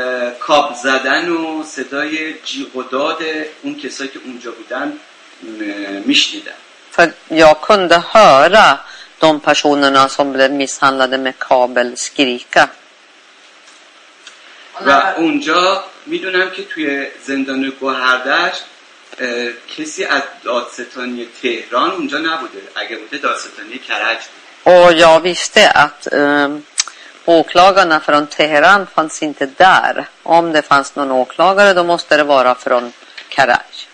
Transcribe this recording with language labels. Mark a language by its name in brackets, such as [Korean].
[Persian] کاب زدن و صدای جیغ و داد اون کسایی که اونجا بودن میشنیدن. [Swedish] Jag kunde höra de personerna som blev misshandlade med kabel skrika. [Persian] و اونجا میدونم که توی زندان گوهردش کسی از دادستانی تهران اونجا نبوده. اگه بوده دادستانی کرج. [Swedish] Och jag visste att åklagarna från Teheran fanns inte där. Om det fanns någon åklagare då måste det vara från Karaj.